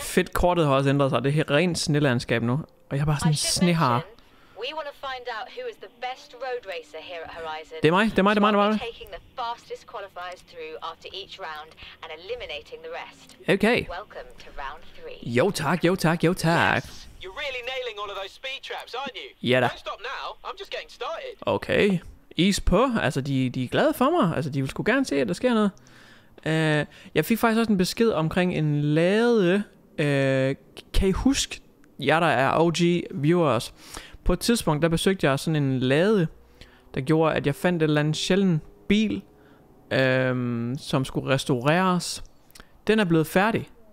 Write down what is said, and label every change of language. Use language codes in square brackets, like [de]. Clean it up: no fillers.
[da] Fedt, kortet har også ændret sig. Det er rent snelandskab nu. Og jeg er bare sådan en snehar. [en] We want to find out who is the best road racer here at Horizon. [da] Det er mig. [en] Taking the fastest qualifiers through after each round and eliminating the rest. Okay. Welcome to round 3. [da] Jo tak. [en] Yes. You're really nailing all of those speed traps, aren't you? [da] Ja da. [en] Don't stop now. I'm just getting started. [da] Okay. Is på. Altså de er glade for mig. Altså de vil sgu gerne se, at der sker noget. Jeg fik faktisk også en besked omkring en lade. Kan I huske jer, der er OG viewers? På et tidspunkt der besøgte jeg sådan en lade, der gjorde at jeg fandt et eller andet sjælden bil, som skulle restaureres. Den er blevet færdig.